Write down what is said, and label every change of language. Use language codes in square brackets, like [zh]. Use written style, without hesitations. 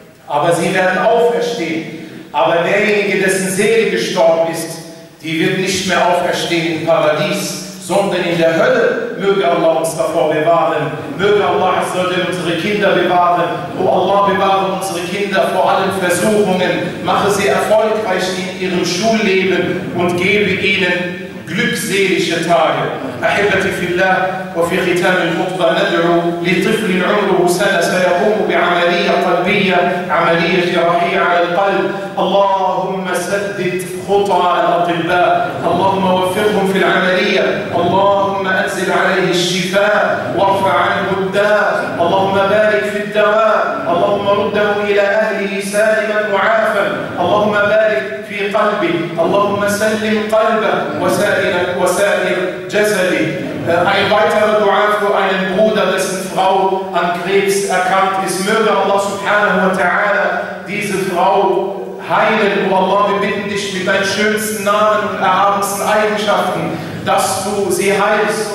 [de] Aber sie werden auferstehen. Aber derjenige, dessen Seele gestorben ist, die wird nicht mehr auferstehen im Paradies, sondern in der Hölle. Möge Allah uns davor bewahren. Möge Allah unsere Kinder bewahren. O Allah, bewahre unsere Kinder vor allen Versuchungen. Mache sie erfolgreich in ihrem Schulleben und gebe ihnen glückselige Tage. [ar] أحبتي في الله وفي ختام الخطبة ندعو لطفل عمره سنة سيقوم بعملية قلبية عملية جراحية على القلب اللهم سدد خطى الأطباء اللهم وفقهم في العملية اللهم أنزل عليه الشفاء وارفع عنه الداء اللهم بارك في الدواء اللهم رده إلى أهله سالما معافا اللهم بارك في قلبه اللهم سلم قلبه وسائر جسدي. [de] Ein weiterer Dua für einen Bruder, dessen Frau an Krebs erkrankt ist. Möge Allah subhanahu wa ta'ala diese Frau heilen. O Allah, wir bitten dich mit deinen schönsten Namen und erhabensten Eigenschaften, dass du sie heilst.